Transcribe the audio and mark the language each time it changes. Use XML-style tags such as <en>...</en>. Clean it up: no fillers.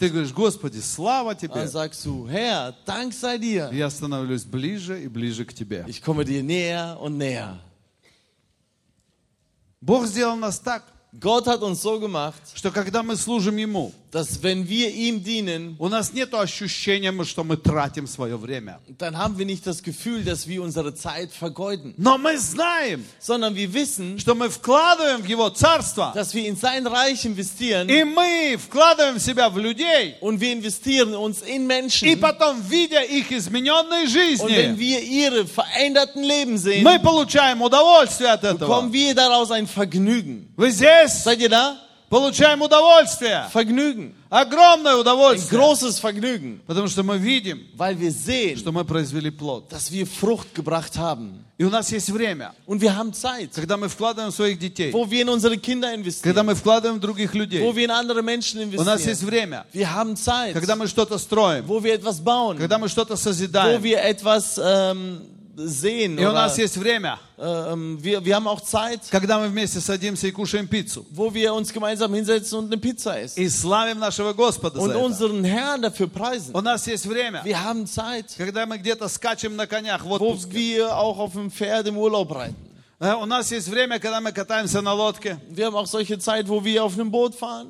<ru>ты говоришь, Господи, слава тебе.</ru> <de>Dann sagst du, Herr, Dank sei dir.</de> <ru>Я становлюсь ближе и ближе к тебе.</ru> <de>Ich komme dir näher und näher.</de> <ru>Бог сделал нас так.</ru> <de>Gott hat uns so gemacht,</de> <ru>что когда мы служим Ему,</ru> <de>dass wenn wir ihm dienen,</de> <ru>у нас нет ощущения, что мы тратим свое время.</ru> <de>Dann haben wir nicht das Gefühl, dass wir unsere Zeit vergeuden.</de> <ru>Но мы знаем,</ru> <de>sondern wir wissen,</de> <ru>что мы вкладываем в Его Царство,</ru> <de>dass wir in sein Reich investieren,</de> <ru>и мы вкладываем себя в людей,</ru> <de>und wir investieren uns in Menschen,</de> <ru>и потом, видя их измененные жизни,</ru> <de>und wenn wir ihre veränderten Leben sehen,</de> <ru>мы получаем удовольствие от этого.</ru> <de>Bekommen wir daraus ein Vergnügen.</de> <ru>Вы здесь?</ru> <de>Seid ihr da?</de> <ru>Получаем удовольствие.</ru> <de>Vergnügen.</de> <ru>Огромное удовольствие.</ru> <de>Ein großes Vergnügen.</de> <ru>Потому что мы видим,</ru> <de>weil wir sehen,</de> <ru>что мы произвели плод.</ru> <de>Dass wir Frucht gebracht haben.</de> <ru>И у нас есть время.</ru> <de>Und wir haben Zeit,</de> <ru>когда мы вкладываем своих детей.</ru> <de>Wo wir in unsere Kinder investieren,</de> <ru>когда мы вкладываем в других людей.</ru> <de>Wo wir in andere Menschen investieren,</de> <ru>у нас есть время.</ru> <de>Wir haben Zeit,</de> <ru>когда мы что-то строим.</ru> <de>Wo wir etwas bauen,</de> <ru>когда мы что-то созидаем.</ru> <de>Wo wir etwas, sehen,</de> <ru>и у нас есть время,</ru> <de>wir haben auch Zeit,</de> <ru>когда мы вместе садимся и кушаем пиццу,</ru> <de>wo wir uns gemeinsam hinsetzen und eine Pizza essen,</de> <ru>и славим нашего Господа</ru> <de>und</de> <ru>за это,</ru> <de>unseren Herrn dafür preisen.</de> <ru>У нас есть время,</ru> <de>wir haben Zeit,</de> <ru>когда мы где-то скачем на конях,</ru> <de>wo wir auch auf dem Pferd im Urlaub reiten.</de> <ru>У нас есть время, когда мы катаемся на лодке.</ru> <de>Wir haben auch solche Zeit, wo wir auf einem Boot fahren.</de>